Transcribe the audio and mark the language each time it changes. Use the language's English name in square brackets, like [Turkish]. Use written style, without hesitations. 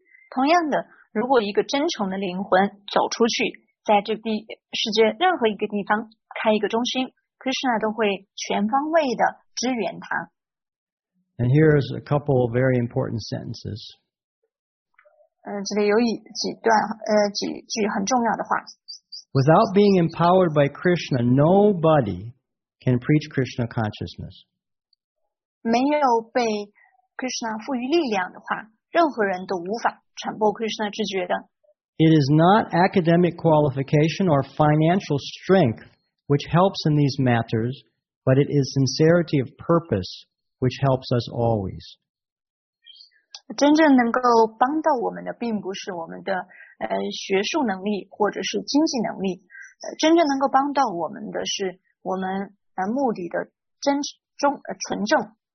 [Chinese] 同样的，如果一个真诚的灵魂走出去，在这地世界任何一个地方开一个中心， Krishna 都会全方位的支援他。 [English] And here's a couple of very important sentences. [Chinese] 这里有几段几句很重要的话。 [English] Without being empowered by Krishna, nobody can preach Krishna consciousness. [Chinese] 没有被 Krishna 赋予力量的话，任何人都无法传播 Krishna 之觉的。 [English] It is not academic qualification or financial strength which helps in these matters, but it is sincerity of purpose. Which helps us always. [Chinese] 真正能够帮到我们的并不是我们的学术能力或者是经济能力，真正能够帮到我们的是我们目的的纯正。